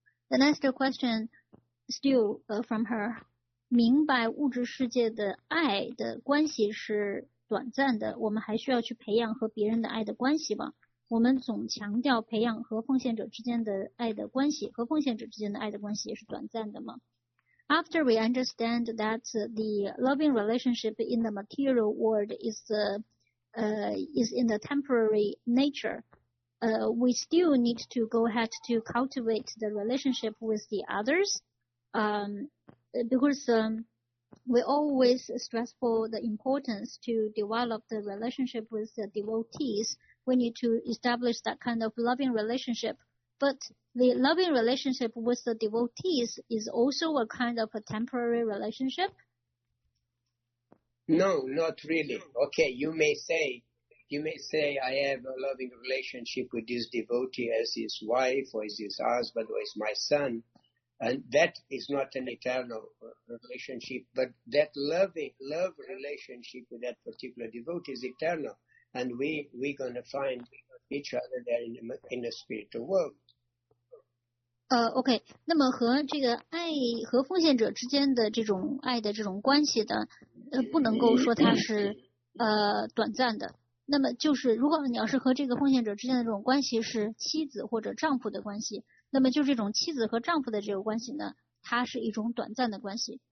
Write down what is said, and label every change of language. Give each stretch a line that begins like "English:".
English: The next question, still from her.
Chinese: 明白物质世界的爱的关系是短暂的，我们还需要去培养和别人的爱的关系吗？我们总强调培养和奉献者之间的爱的关系，和奉献者之间的爱的关系也是短暂的吗？
English: After we understand that the loving relationship in the material world is in the temporary nature, we still need to go ahead to cultivate the relationship with the others, because we always stress for the importance to develop the relationship with the devotees. We need to establish that kind of loving relationship. But the loving relationship with the devotees is also a kind of a temporary relationship? No, not really. Okay, you may say I have a loving relationship with this devotee as his wife or as his husband or as my son. And that is not an eternal relationship, but that love relationship with that particular devotee is eternal. And we're going to find each other there in the spiritual world.
Chinese: OK, 那么和这个爱和奉献者之间的这种爱的这种关系的不能够说它是短暂的。那么就是如果你要是和这个奉献者之间的这种关系是妻子或者丈夫的关系，那么就这种妻子和丈夫的这个关系呢，它是一种短暂的关系。